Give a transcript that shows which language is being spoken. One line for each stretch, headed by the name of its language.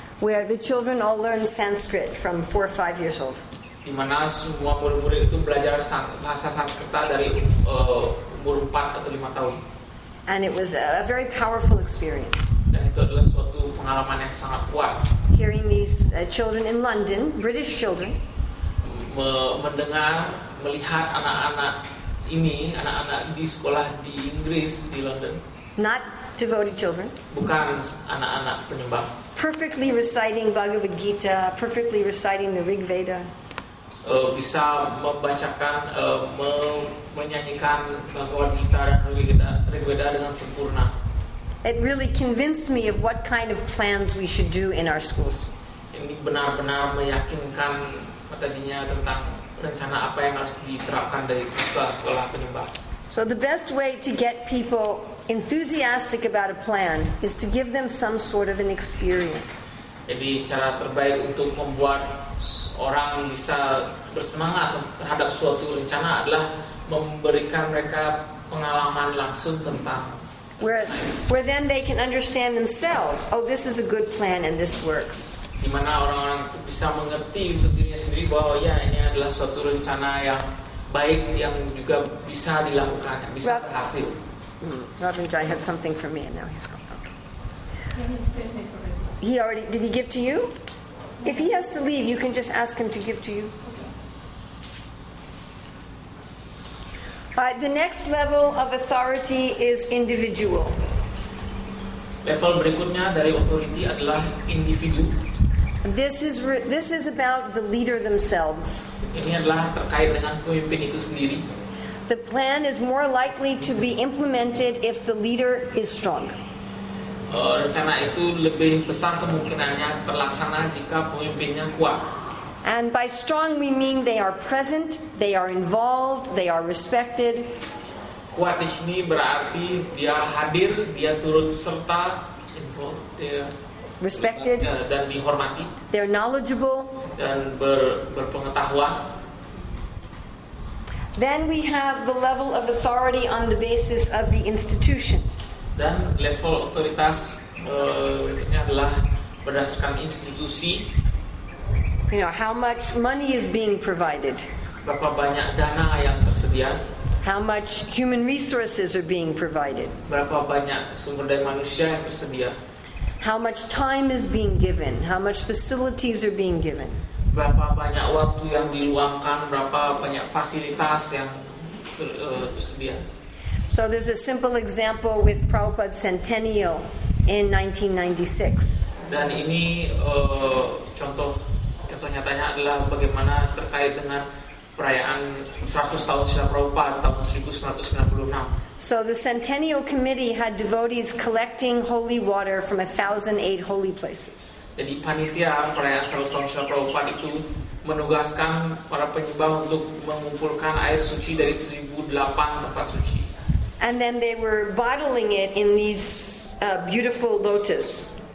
English: Where the children all learn Sanskrit from 4 or 5 years old.
Indonesian: Di mana semua murid-murid itu belajar bahasa Sanskerta dari umur 4 atau 5 tahun.
English: And it was a very powerful experience.
Indonesian: Dan itu adalah suatu pengalaman yang sangat kuat.
English: Hearing these children in London, British children.
Indonesian: Mendengar, melihat anak-anak ini, anak-anak di sekolah di Inggris, di London.
English: Not devoted children.
Indonesian: Bukan anak-anak penyembah.
English: Perfectly reciting Bhagavad Gita, perfectly reciting the Rig Veda.
Indonesian: bisa membacakan, menyanyikan Bhagavad Gita dan Rigveda dengan sempurna.
English: It really convinced me of what kind of plans we should do in our schools.
Indonesian: Ini benar-benar meyakinkan tadinya tentang rencana apa yang harus diterapkan dari sekolah-sekolah penyembah.
English: So the best way to get people enthusiastic about a plan is to give them some sort of an experience.
Indonesian: Jadi cara terbaik untuk membuat orang bisa bersemangat terhadap suatu rencana adalah memberikan mereka pengalaman langsung tentang.
English: Where then they can understand themselves, oh, this is a good plan and this works.
Indonesian: Di mana orang-orang itu bisa mengerti untuk dirinya sendiri bahwa ya ini adalah suatu rencana yang baik yang juga bisa dilakukan, yang bisa berhasil.
English: Robin Jai had something for me and now he's gone. Okay. He already did. He give to you? If he has to leave, you can just ask him to give to you. The next level of authority is individual.
Indonesian: Level berikutnya dari authority adalah individu.
English: This is about the leader themselves.
Indonesian: Ini adalah terkait dengan pemimpin itu sendiri.
English: The plan is more likely to be implemented if the leader is strong.
Indonesian: Rencana itu lebih besar kemungkinannya terlaksana jika pemimpinnya kuat.
English: And by strong we mean they are present, they are involved, they are respected.
Indonesian: Kuat di sini berarti dia hadir, dia turut serta, involved,
English: respected,
Indonesian: dan dihormati.
English: They're knowledgeable,
Indonesian: dan berpengetahuan.
English: Then we have the level of authority on the basis of the institution.
Indonesian: Dan level otoritas berikutnya adalah berdasarkan institusi.
English: You know, how much money is being provided?
Indonesian: Berapa banyak dana yang tersedia?
English: How much human resources are being provided?
Indonesian: Berapa banyak sumber daya manusia yang tersedia?
English: How much time is being given? How much facilities are being given?
Indonesian: Berapa banyak waktu yang diluangkan? Berapa banyak fasilitas yang tersedia?
English: So there's a simple example with Prabhupada's centennial in 1996.
Indonesian: Dan ini contoh nyatanya adalah bagaimana terkait dengan perayaan 100 tahun Srila Prabhupada tahun 1996.
English: So the centennial committee had devotees collecting holy water from 1,008 holy places.
Indonesian: Jadi panitia perayaan 100 tahun Srila Prabhupada itu menugaskan para penyembah untuk mengumpulkan air suci dari 1,008 tempat suci.
English: And then they were bottling it in these beautiful lotus.